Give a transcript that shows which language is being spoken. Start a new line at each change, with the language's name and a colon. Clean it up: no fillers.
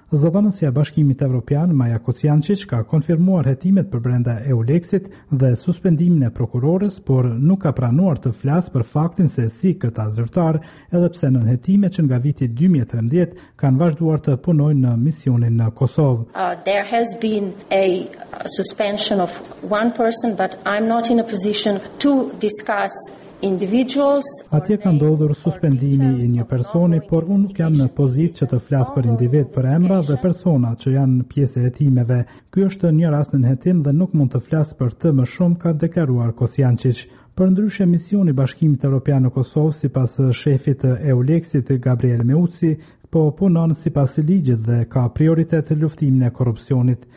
Albanian: Zëdhënësja e Bashkimit Evropian, Maja Kocjančić, ka konfirmuar hetimet për brenda EULEX-it dhe suspendimin e prokurorës, por nuk ka pranuar të flasë për faktin se si këta zyrtar, edhe pse nën hetime që nga viti 2013 kanë vazhduar të punojnë në misionin në Kosovë.
English: There has been a suspension of one person, but I'm not in a position to discuss individuals.
Albanian: Atje ka ndodhur suspendimi i një personi, por unë nuk jam në pozitë që të flas për individ, për emra dhe persona që janë pjesë e hetimeve. Ky është një rast në hetim dhe nuk mund të flas për të më shumë, ka deklaruar Kocjančić. Përndryshe, misioni Bashkimit Evropian në Kosovë, sipas shefit të EULEX-it Gabriel Meuci, po punon sipas ligjit dhe ka prioritet luftimin e korrupsionit.